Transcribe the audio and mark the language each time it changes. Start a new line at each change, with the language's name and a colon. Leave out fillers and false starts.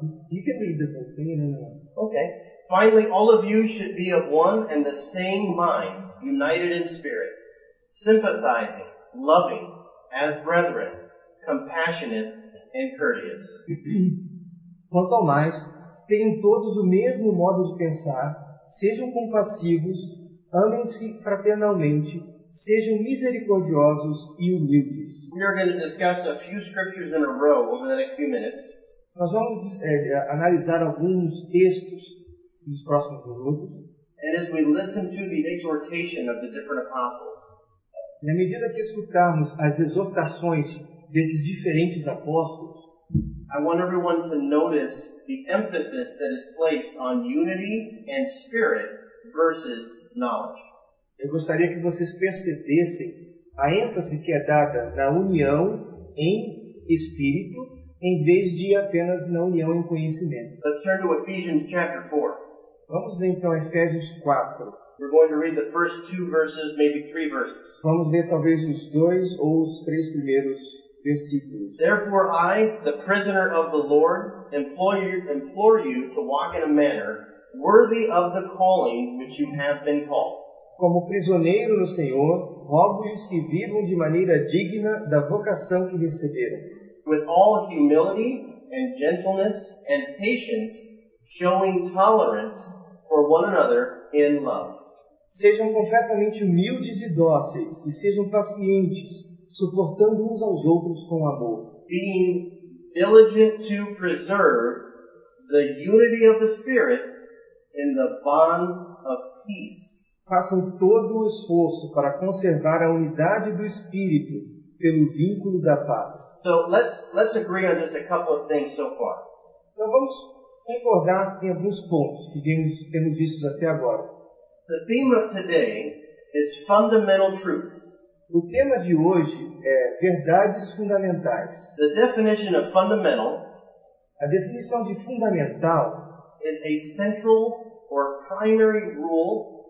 English: You can read the whole thing in a minute. Okay. Finally, all of you should be of one and the same mind, united in spirit, sympathizing, loving, as brethren, compassionate, and courteous.
Portuguese: Quanto ao mais, tenham todos o mesmo modo de pensar, sejam compassivos, amem-se fraternalmente, sejam misericordiosos e humildes.
English: We are going to discuss a few scriptures in a row over the next few minutes.
Portuguese: Nós vamos analisar alguns textos nos próximos minutos.
English: And as we listen to the exhortation of the different apostles,
Portuguese: e à medida que escutarmos as exortações desses diferentes apóstolos,
English: I want everyone to notice the emphasis that is placed on unity and spirit versus knowledge.
Portuguese: Eu gostaria que vocês percebessem a ênfase que é dada na união em espírito em vez de apenas na união em conhecimento.
English: Let's turn to Ephesians chapter 4.
Portuguese: Vamos ler então Efésios 4.
English: We're going to read the first two verses, maybe three verses.
Portuguese: Vamos ler talvez os dois ou os três primeiros versículos.
English: Therefore I, the prisoner of the Lord, implore you to walk in a manner worthy of the calling which you have been called.
Portuguese: Como prisioneiro no Senhor, rogo-lhes que vivam de maneira digna da vocação que receberam.
English: With all humility and gentleness and patience, showing tolerance for one another in love.
Portuguese: Sejam completamente humildes e dóceis, e sejam pacientes, suportando uns aos outros com amor.
English: Being diligent to preserve the unity of the Spirit in the bond of peace.
Portuguese: Façam todo o esforço para conservar a unidade do Espírito pelo vínculo da paz.
English: So let's agree on just a couple of things so far.
Portuguese: Então vamos concordar em alguns pontos que temos visto até agora.
English: The theme of today is fundamental truths.
Portuguese: O tema de hoje é verdades fundamentais.
English: The definition of fundamental,
Portuguese: a definição de fundamental,
English: is a central or primary rule.